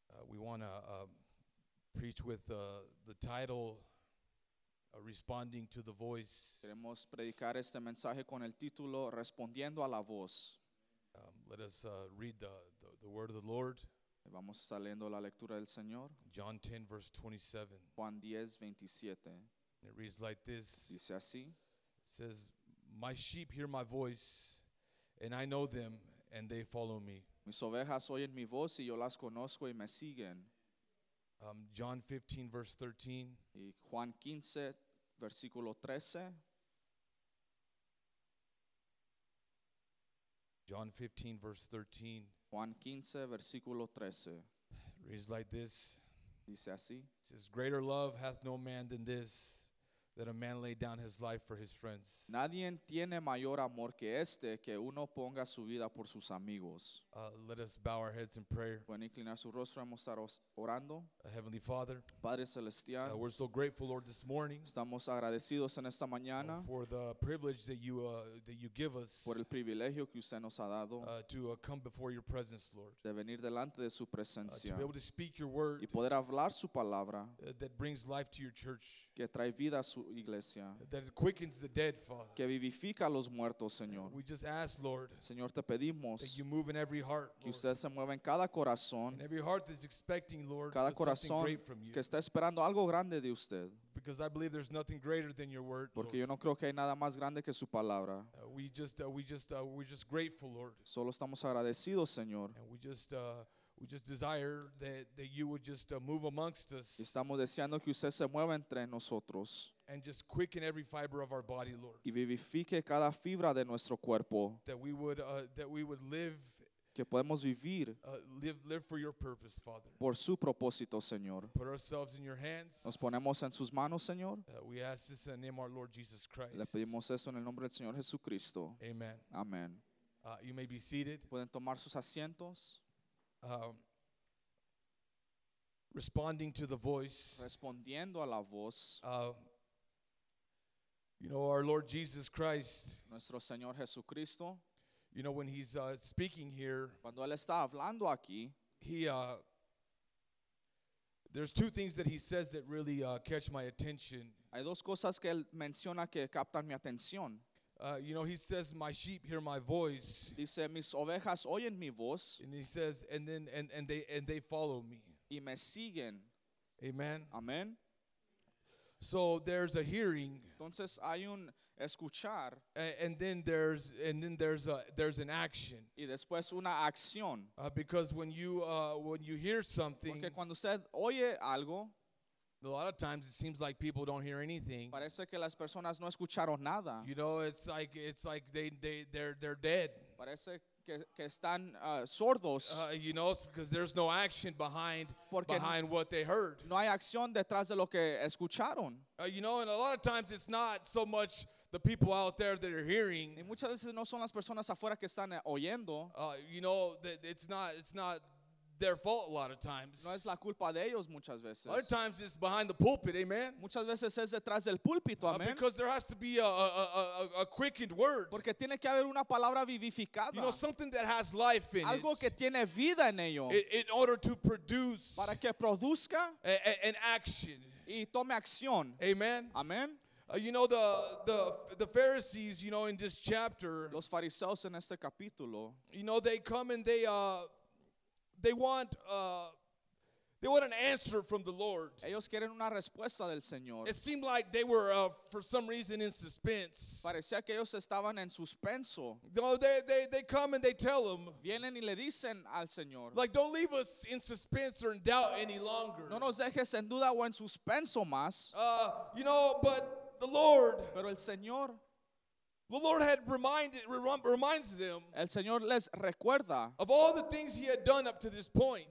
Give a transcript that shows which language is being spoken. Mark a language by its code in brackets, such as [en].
[en] We want to preach with the title Responding to the Voice. [es] Queremos predicar este mensaje con el título Respondiendo a la Voz. [en] Let us read the word of the Lord. [es] Vamos a estar leyendo la lectura del Señor. [en] John 10 verse 27. [es] Juan 10, 27. [en] It reads like this. [es] Dice así. [en] It says, "My sheep hear my voice, and I know them, and they follow me." [es] Mis ovejas oyen mi voz y yo las conozco y me siguen. [en] John 15, verse 13. [es] Y Juan 15, versículo 13. [en] John 15, verse 13. [es] Juan 15, versículo 13. [en] Reads like this. [es] Dice así. [en] It says, "Greater love hath no man than this, that a man lay down his life for his friends." [es] Nadie tiene mayor amor que este, que uno ponga su vida por sus amigos. [en] Let us bow our heads in prayer. [es] Pueden inclinar su rostro, vamos a estar orando. [en] Heavenly Father, [es] Padre Celestial, [en] we're so grateful, Lord, this morning. [es] Estamos agradecidos en esta mañana. [en] For the privilege that you give us. [es] Por el privilegio que usted nos ha dado. [en] To come before your presence, Lord. [es] De venir delante de su presencia. [en] To be able to speak your word. [es] Y poder hablar su palabra. [en] That brings life to your church. [es] Que trae vida a su [en] That quickens the dead, Father. [es] Que vivifica a los muertos, Señor. [en] We just ask, Lord, [es] Señor, te pedimos [en] that you move in every heart, [es] que usted se mueva en cada corazón, [en] and every heart that's expecting, Lord, [es] cada corazón que está esperando algo grande de usted. [en] Because I believe there's nothing greater than your word. [es] Porque yo no creo que hay nada más grande que su palabra. [en] We're just grateful, Lord. [es] Solo estamos agradecidos, Señor. [en] And we just desire that you would just move amongst us. [es] Estamos deseando que usted se mueva entre nosotros. [en] And just quicken every fiber of our body, Lord. [es] Y vivifique cada fibra de nuestro cuerpo. [en] That we would live. [es] Que podemos vivir. [en] Live for your purpose, Father. [es] Por su propósito, Señor. [en] Put ourselves in your hands. [es] Nos ponemos en sus manos, Señor. [en] We ask this in the name of our Lord Jesus Christ. [es] Le pedimos eso en el nombre del Señor Jesucristo. [en] Amen. [es] Amen. [en] You may be seated. [es] Pueden tomar sus asientos. [en] Responding to the voice. [es] Respondiendo a la voz. [en] Our Lord Jesus Christ. [es] Nuestro Señor Jesucristo. [en] When he's speaking here. [es] Cuando él está hablando aquí. [en] There's two things that he says that really catch my attention. [es] Hay dos cosas que él menciona que captan mi atención. [en] He says, "My sheep hear my voice." [es] Dice, mis ovejas oyen mi voz. [en] And he says, and they follow me. [es] Y me siguen. [en] Amen. [es] Amen. [en] So there's a hearing. [es] Entonces hay un escuchar. [en] And then there's an action. [es] Y después una acción. [en] Because when you hear something. [es] Porque cuando usted oye algo. [en] A lot of times it seems like people don't hear anything. [es] Parece que las personas no escucharon nada. [en] You know, it's like they're dead. [es] Parece que están sordos. [en] You know, it's because there's no action behind what they heard. [es] No hay acción detrás de lo que escucharon. [en] You know, and a lot of times it's not so much the people out there that are hearing. [es] Y muchas veces no son las personas afuera que están oyendo. [en] You know, it's not their fault a lot of times. [es] No es la culpa de ellos muchas veces. [en] A lot of times it's behind the pulpit, amen. [es] Muchas veces es detrás del púlpito, amen. [en] Because there has to be a quickened word. [es] Porque tiene que haber una palabra vivificada. [en] You know, something that has life in [es] algo [en] it. [es] Algo que tiene vida en ello. [en] In order to produce. [es] Para que produzca. [en] An action. [es] Y tome acción. [en] Amen. [es] Amen. [en] You know, the Pharisees, you know, in this chapter. [es] Los fariseos en este capítulo. [en] You know, they come and they want an answer from the Lord. [es] Ellos quieren una respuesta del Señor. [en] It seemed like they were, for some reason, in suspense. [es] Parecía que ellos estaban en suspenso. [en] No, they come and they tell him. [es] Vienen y le dicen al Señor. [en] Like, don't leave us in suspense or in doubt any longer. [es] No nos dejes en duda o en suspenso más. [en] You know, but the Lord. [es] Pero el Señor. [en] The Lord had reminds them. [es] El Señor les recuerda [en] of all the things He had done up to this point.